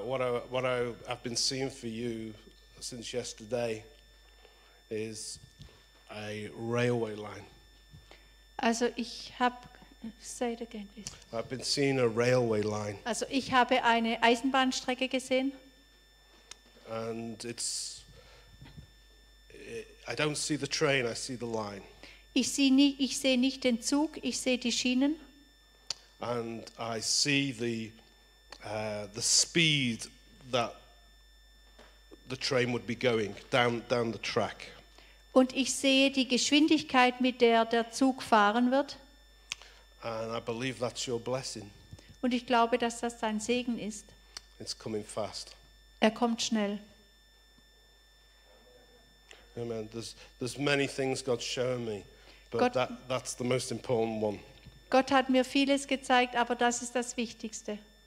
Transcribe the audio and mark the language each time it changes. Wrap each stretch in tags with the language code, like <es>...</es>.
<en>What I have been seeing for you since yesterday is a railway line.</en> <de>Also ich habe,</de> <en>say it again please. I've been seeing a railway line.</en> <de>Also ich habe eine Eisenbahnstrecke gesehen.</de> <en>And I don't see the train, I see the line.</en> <de>Ich sehe nicht den Zug, ich sehe die Schienen.</de> <en>And I see the speed that the train would be going down the track.</en> <de>Und ich sehe die Geschwindigkeit, mit der Zug fahren wird.</de> <en>And I believe that's your blessing.</en> <de>Und ich glaube, dass das dein Segen ist.</de> <en>It's coming fast.</en> <de>Er kommt schnell.</de> <en>Amen. There's many things God's shown me, but that's the most important one.</en> <de>Gott hat mir vieles gezeigt, aber das ist das Wichtigste.</de>